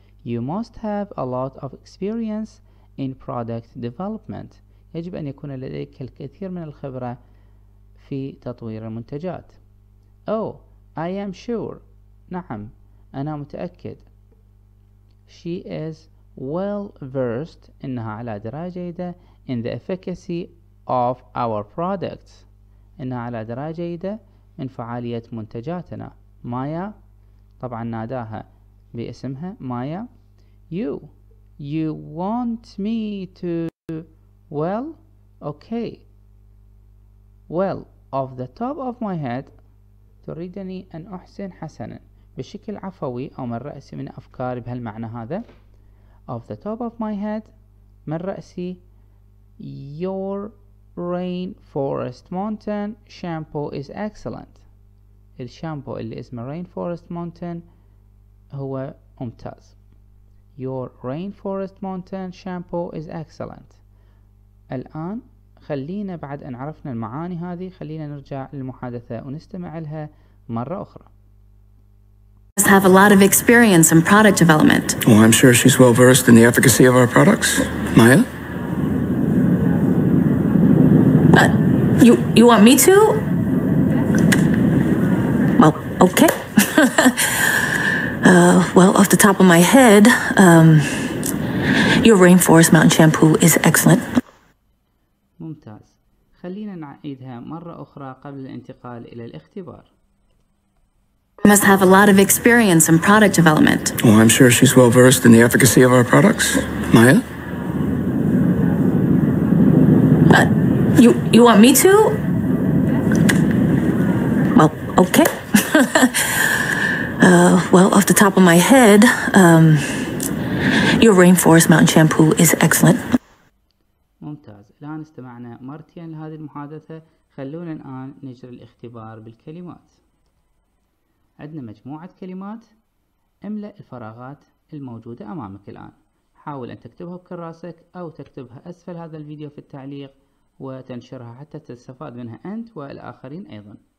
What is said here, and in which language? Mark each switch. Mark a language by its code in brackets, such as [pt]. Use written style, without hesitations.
[en] You must have a lot of experience in product development. [ar] يجب أن يكون لديك الكثير من الخبرة في تطوير المنتجات. [en] Oh, I am sure. [ar] نعم، أنا متأكد. [en] She is well versed. [ar] إنها على دراية جيدة. [en] In the efficacy of our products. [ar] إنها على دراية جيدة من فعالية منتجاتنا. مايا، طبعا ناداها باسمها مايا. [en] You want me to... Well, okay. Well, off the top of my head. [ar] تريدني أن أحسن حسنا بشكل عفوي أو من رأسي من أفكاري بهالمعنى هذا. [en] Off the top of my head. [ar] من رأسي. [en] Your rainforest mountain shampoo is excellent. [ar] الشامبو اللي اسمه rainforest mountain هو ممتاز. [en] Your rainforest mountain shampoo is excellent. [ar] الآن خلينا بعد أن عرفنا المعاني هذه خلينا نرجع للمحادثة ونستمع لها مرة أخرى. [en] Must have a lot of experience in product development. Oh, I'm sure she's well versed in the efficacy of our products. Maya? You want me to? Well, okay. Well, off the top of my head, your rainforest mountain shampoo is excellent. [ar] ممتاز. خلينا نعيدها مرة أخرى قبل الانتقال إلى الاختبار. [en] You must have a lot of experience in product development. Oh, I'm sure she's well versed in the efficacy of our products. Maya? You want me to? Well, okay. Well, off the top of my head, your rainforest mountain shampoo is excellent. [ar] ممتاز. الآن استمعنا مرتين لهذه المحادثة. خلونا الآن نجري الاختبار بالكلمات. عندنا مجموعة كلمات. املأ الفراغات الموجودة أمامك الآن. حاول أن تكتبها بكراسك أو تكتبها أسفل هذا الفيديو في التعليق وتنشرها حتى تستفاد منها أنت والآخرين أيضا.